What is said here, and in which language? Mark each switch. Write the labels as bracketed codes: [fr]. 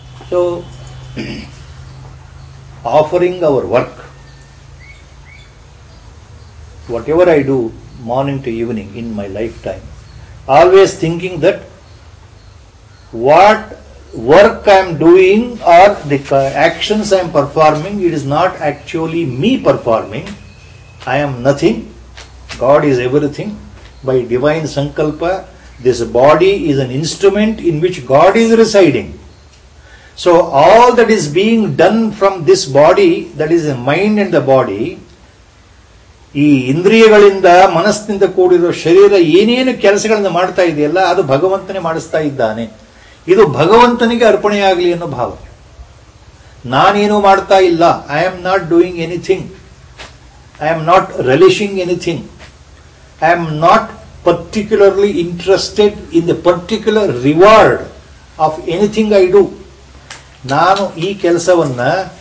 [en] So offering our work, whatever I do morning to evening in my life time, always thinking that what work I am doing or the actions I am performing, it is not actually me performing. I am nothing, God is everything. By divine sankalpa, this body is an instrument in which God is residing. So all that is being done from this body, that is the mind and the body, [kn] ಈ ಇಂದ್ರಿಯಗಳಿಂದ ಮನಸ್ಸಿನಿಂದ ಕೂಡಿರೋ ಶರೀರ ಏನೇನು ಕೆಲಸಗಳನ್ನು ಮಾಡ್ತಾ ಇದೆಯಲ್ಲ, ಅದು ಭಗವಂತನೇ ಮಾಡಿಸ್ತಾ ಇದ್ದಾನೆ. ಇದು ಭಗವಂತನಿಗೆ ಅರ್ಪಣೆಯಾಗಲಿ ಅನ್ನೋ ಭಾವ. ನಾನೇನು ಮಾಡ್ತಾ ಇಲ್ಲ, [en] I am not doing anything, I am not relishing anything, I am not particularly interested in the particular reward of anything I do. [kn] ನಾನು ಈ ಕೆಲಸವನ್ನು